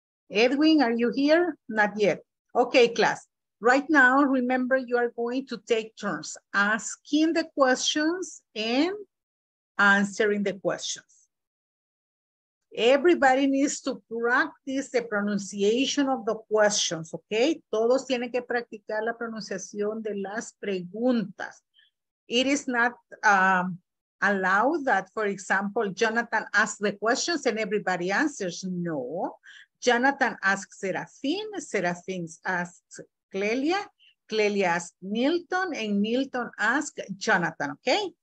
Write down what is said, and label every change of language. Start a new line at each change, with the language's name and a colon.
English: Edwin, are you here? Not yet. Okay, class. Right now, remember you are going to take turns asking the questions and answering the questions. Everybody needs to practice the pronunciation of the questions, okay?
Spanish: Todos tienen que practicar la pronunciación de las preguntas.
English: It is not allowed that, for example, Jonathan asks the questions and everybody answers. No. Jonathan asks Serafín, Serafín asks Clelia, Clelia asks Milton, and Milton asks Jonathan, okay?